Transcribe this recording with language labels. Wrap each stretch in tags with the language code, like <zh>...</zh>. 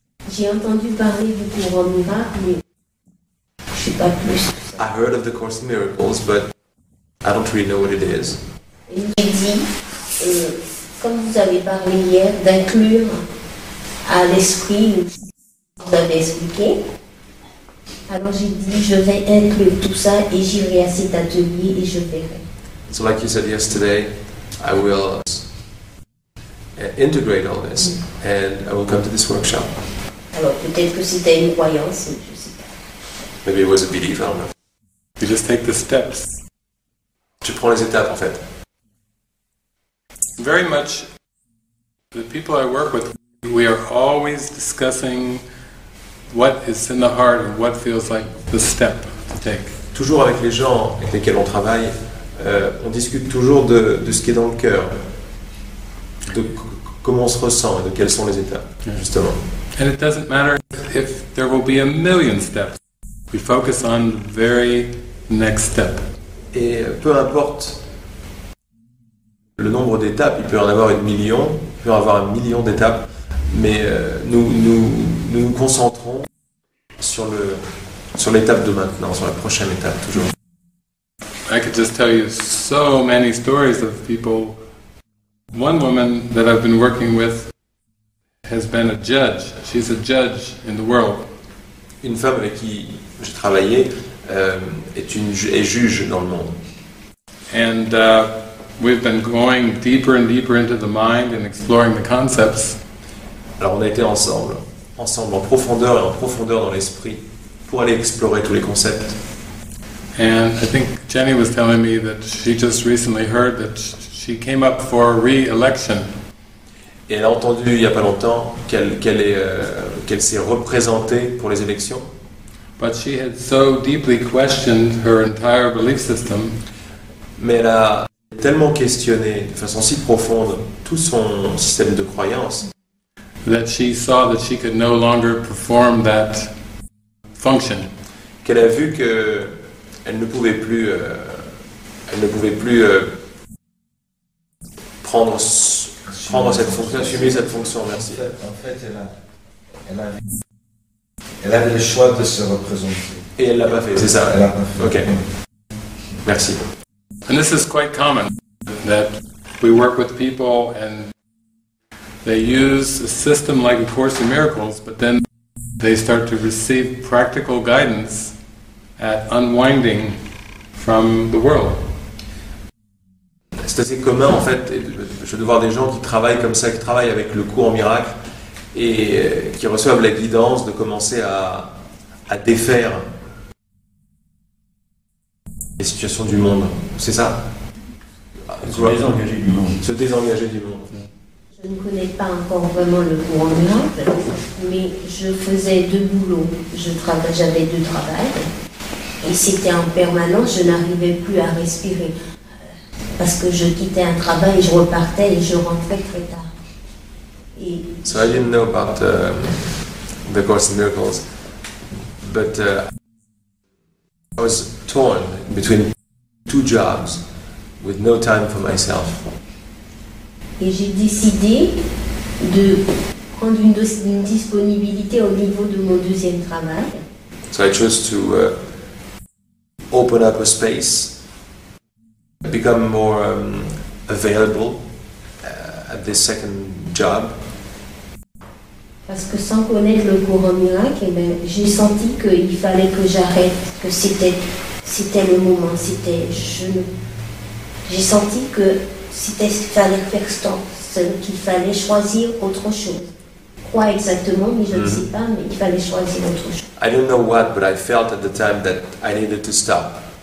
<fr>J'ai entendu parler du courant miracle, mais je sais pas plus.</fr> <en>I heard of the Course in Miracles, but I don't really know what it is.</en> <fr>J'ai dit, comme vous avez parlé hier, d'inclure à l'esprit, vous avez expliqué. Alors j'ai dit, je vais inclure tout ça et j'irai à cet atelier et je verrai.</fr> <en>So like you said yesterday, I will integrate all this, and I will come to this workshop.</en> <fr>Alors, peut-être que c'était une croyance, je sais pas.</fr> <en>Maybe it was a belief, I don't know. You just take the steps.</en> <fr>Tu prends les étapes, en fait.</fr> <en>Very much, the people I work with, we are always discussing what is in the heart and what feels like the step to take.</en> <fr>Toujours avec les gens avec lesquels on travaille, on discute toujours de ce qui est dans le cœur, de comment on se ressent et de quelles sont les étapes, justement.</fr> <en>And it doesn't matter if there will be a million steps. We focus on the very next step.</en> <fr>Et peu importe le nombre d'étapes, il peut en avoir 1 million, il peut en avoir 1 million d'étapes, mais nous nous concentrons sur l'étape de maintenant, sur la prochaine étape, toujours.</fr> <en>I could just tell you so many stories of people. One woman that I've been working with has been a judge. She's a judge in the world.</en> <fr>Une femme avec qui j'ai travaillé est juge dans le monde.</fr> <en>And we've been going deeper and deeper into the mind and exploring the concepts.</en> <fr>Alors on a été ensemble en profondeur et en profondeur dans l'esprit pour aller explorer tous les concepts.</fr> <en>And I think Jenny was telling me that she just recently heard that she came up for re-election.</en> <fr>Et elle a entendu il y a pas longtemps qu'elle s'est représentée pour les élections.</fr> <en>But she had so deeply questioned her entire belief system.</en> <fr>Mais elle a tellement questionné de façon si profonde tout son système de croyances</fr> <en>that she saw that she could no longer perform that function.</en> <fr>Qu'elle a vu que elle ne pouvait plus prendre cette fonction, assumer cette fonction. Merci. En fait, elle avait le choix de se représenter. Et elle l'a pas fait. C'est ça. Elle l'a pas fait. Ok. Merci.</fr> <en>And this is quite common that we work with people and they use a system like A Course in Miracles, but then they start to receive practical guidance at unwinding from the world.</en> <fr>C'est assez commun en fait, je dois voir des gens qui travaillent comme ça, qui travaillent avec le cours en miracle et qui reçoivent la guidance de commencer à défaire les situations du monde. C'est ça? Se désengager du monde. Je ne connais pas encore vraiment le cours en miracle, mais je faisais deux boulots, j'avais deux travails. Et c'était en permanence, je n'arrivais plus à respirer. Parce que je quittais un travail, je repartais et je rentrais très tard.</fr> <en>So I didn't know about the Course in Miracles. But I was torn between two jobs with no time for myself.</en> <fr>Et j'ai décidé de prendre une disponibilité au niveau de mon deuxième travail.</fr> <en>So I chose to open up a space, become more available at this second job.</en> <fr>Parce que sans connaître le courant miracle, eh bien, j'ai senti qu'il fallait que j'arrête, que c'était le moment, j'ai senti que c'était qu'il fallait faire stop, qu'il fallait choisir autre chose. Quoi exactement, mais je ne sais pas, mais il fallait choisir autre chose.</fr> <en>I don't know what, but I felt at the time that I needed to stop.</en>